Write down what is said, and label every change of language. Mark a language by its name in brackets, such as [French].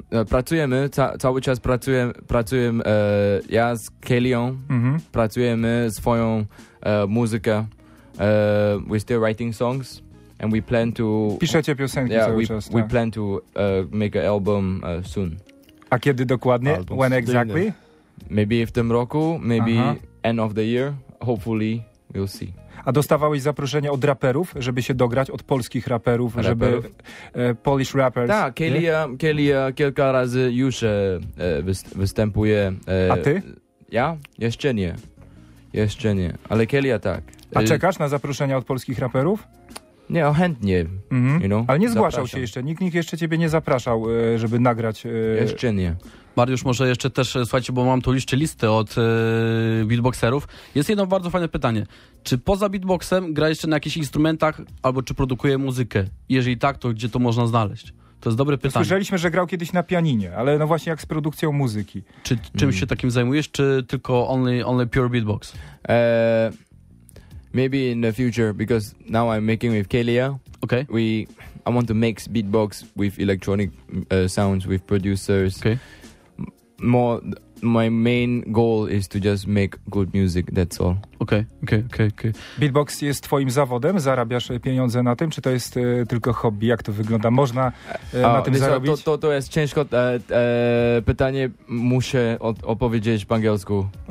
[Polish] Pracujemy, cały czas pracujemy ja z Kelią, pracujemy swoją muzykę. [English] We're still writing songs and we plan to... [Polish] Piszecie piosenki cały czas. [English] We plan to make an album soon. [Polish] A kiedy dokładnie? Album. [English] When exactly? Maybe [Polish] w tym roku, [English] maybe end of the year, hopefully we'll see. [Polish] A dostawałeś zaproszenia od raperów, żeby się dograć, od polskich raperów, żeby [English] Polish rappers. [Polish] Tak, Kelia kilka razy już występuje. A ty? Ja? Jeszcze nie, ale Kelia tak. A czekasz na zaproszenia od polskich raperów? Nie, chętnie. [English] You know? [Polish] Ale nie zgłaszał się jeszcze. Nikt jeszcze ciebie nie zapraszał, żeby nagrać. Jeszcze nie. Mariusz, może jeszcze też, słuchajcie, bo mam tu jeszcze listę od beatboxerów. Jest jedno bardzo fajne pytanie. Czy poza beatboxem gra jeszcze na jakichś instrumentach, albo czy produkuje muzykę? Jeżeli tak, to gdzie to można znaleźć? To jest dobre pytanie. Słyszeliśmy, że grał kiedyś na pianinie, ale no właśnie jak z produkcją muzyki. Czy czymś się takim zajmujesz, czy tylko [English] only pure beatbox? Maybe in the future, because now I'm making with Kelia. Okay. I want to mix beatbox with electronic sounds, with producers. Okay. My main goal is to just make good music, that's all. Okay. [Polish] Beatbox jest twoim zawodem? Zarabiasz pieniądze na tym? Czy to jest tylko hobby? Jak to wygląda? Można na tym zarobić? To jest ciężko. Pytanie muszę opowiedzieć po angielsku.